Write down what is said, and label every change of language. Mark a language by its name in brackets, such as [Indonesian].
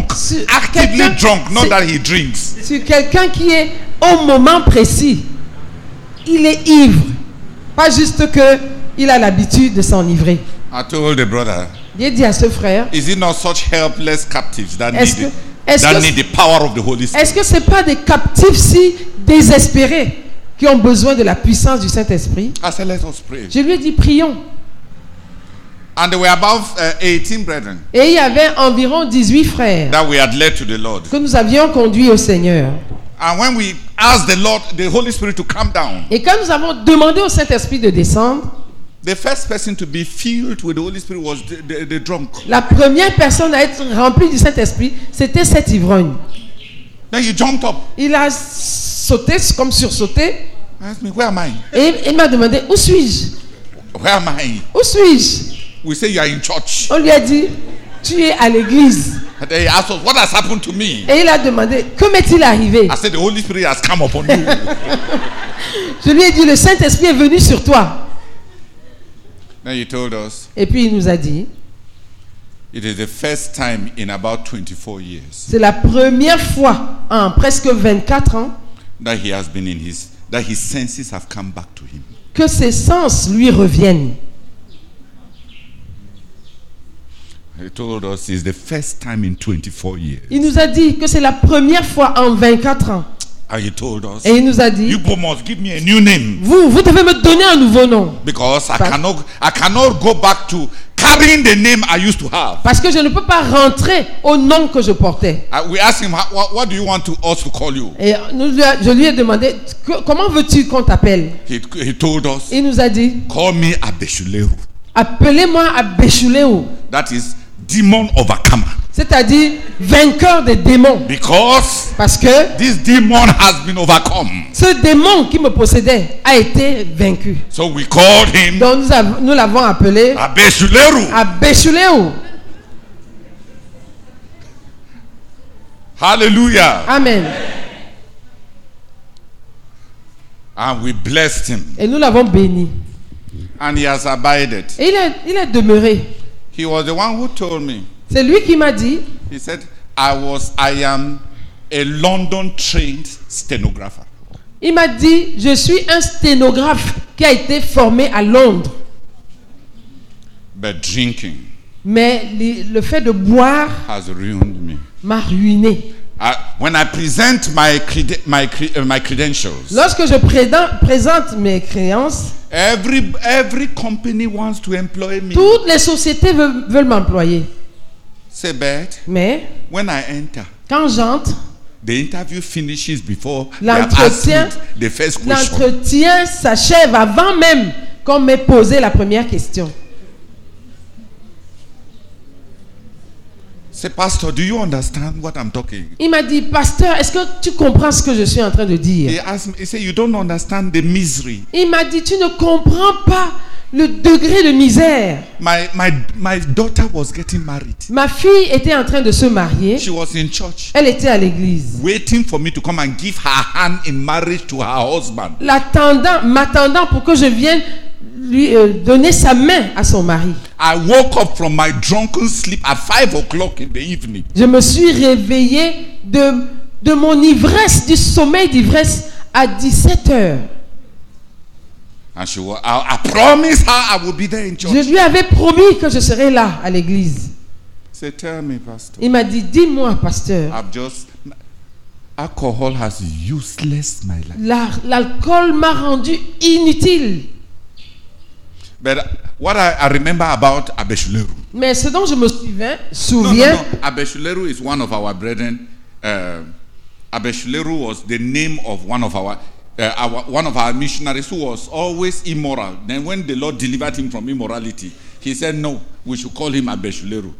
[English] He's drunk, actively drunk, not that he drinks. [French] Sur quelqu'un qui est au moment précis, il est ivre, pas juste que il a l'habitude de s'enivrer. [English] I told the brother. [French] J'ai dit à ce frère. [English] Is it not such helpless captives that need the power of the Holy Spirit? [French] Est-ce que c'est pas des captifs si désespérés qui ont besoin de la puissance du Saint-Esprit? [English] I said, let us pray. [French] Je lui ai dit, prions. [English] And there were about 18 brethren. [French] Et il y avait environ 18 frères. [English] That we had led to the Lord. [French] Que nous avions conduits au Seigneur. [English] And when we asked the Lord, the Holy Spirit to come down. [French] Et quand nous avons demandé au Saint-Esprit de descendre. [English] The first person to be filled with the Holy Spirit was the drunk. [French] La première personne à être remplie du Saint-Esprit, c'était cet ivrogne. [English] Then he jumped up. [French] Il a sauté comme sursauté. [English] Asked me, where am I? [French] Et il m'a demandé où suis-je? [English] Where am I? [French] Où suis-je? [English] We say you are in church. [French] On lui a dit, tu es à l'église. [English] And then he asked us, what has happened to me? [French] Et il a demandé, que m'est-il arrivé? [English] I said, the Holy Spirit has come upon you. [French] Je lui ai dit, le Saint-Esprit est venu sur toi. [English] Then he told us. [French] Et puis il nous a dit. [English] It is the first time in about 24 years. [French] C'est la première fois en presque 24 ans. [English] That he has been in his, that his senses have come back to him. [French] Que ses sens lui reviennent. [English] He told us it's the first time in 24 years. [French] Il nous a dit que c'est la première fois en 24 ans. [English] And he told us. [French] Et il nous a dit. [English] You must give me a new name. [French] Vous devez me donner un nouveau nom. [English] Because I cannot go back to carrying the name I used to have. [French] Parce que je ne peux pas rentrer au nom que je portais. [English] We asked him, what do you want us to call you? [French] Et nous, je lui ai demandé, comment veux-tu qu'on t'appelle? [English] He told us. [French] Il nous a dit. [English] Call me Abeshuleu. [French] Appelez-moi Abeshuleu. [English] That is demon overcomer. [French] C'est-à-dire vainqueur des démons. [English] Because [French] parce que [English] this demon has been overcome. [French] Ce démon qui me possédait a été vaincu. [English] So we called him. [French] Donc nous l'avons appelé [English] Abeshuleru. [French] Abeshuleru. [English] Hallelujah. [French] Amen. [English] And we blessed him. [French] Et nous l'avons béni. [English] And he has abided. [French] Et il a demeuré. [English] He was the one who told me. [French] C'est lui qui m'a dit. [English] He said, I am a London trained stenographer. [French] Il m'a dit, je suis un sténographe qui a été formé à Londres. [English] But drinking. [French] Mais le fait de boire [English] has ruined me. [French] M'a ruiné. [English] When I present my credentials. [French] Lorsque je présente mes créances. [English] Every company wants to employ me. [French] Toutes les sociétés veulent m'employer. [English] Say bad. [French] Mais [English] when I enter, [French] quand j'entre, [English] the interview finishes before [French] l'entretien, [English] the first question. [French] L'entretien s'achève avant même qu'on m'ait posé la première question. [English] Say, Pastor, do you understand what I'm talking? [French] Il m'a dit, Pasteur, est-ce que tu comprends ce que je suis en train de dire? [English] He said, you don't understand the misery. [French] Il m'a dit, tu ne comprends pas. Le degré de misère. [English] My daughter was getting married. [French] Ma fille était en train de se marier. [English] She was in church. [French] Elle était à l'église. [English] Waiting for me to come and give her hand in marriage to her husband. [French] M'attendant pour que je vienne lui donner sa main à son mari. [English] I woke up from my drunken sleep at 5 o'clock in the evening. [French] Je me suis réveillée de mon ivresse, du sommeil d'ivresse à 17 heures. [English] And she was, I promised her I would be there in church. [French] Je lui avais promis que je serais là à l'église. [English] Say, tell me, Pastor. [French] Il m'a dit, dis-moi, Pasteur. [English] Alcohol has useless my life. [French] L'alcool m'a rendu inutile. [English] But what I remember about Abeshuleru. [French] Mais ce dont je me souviens. [English] No. Abeshuleru is one of our brethren. Abeshuleru was the name of one of our. One of our missionaries who was always immoral. Then when the Lord delivered him from immorality, he said, no, we should call him Abeshuleru.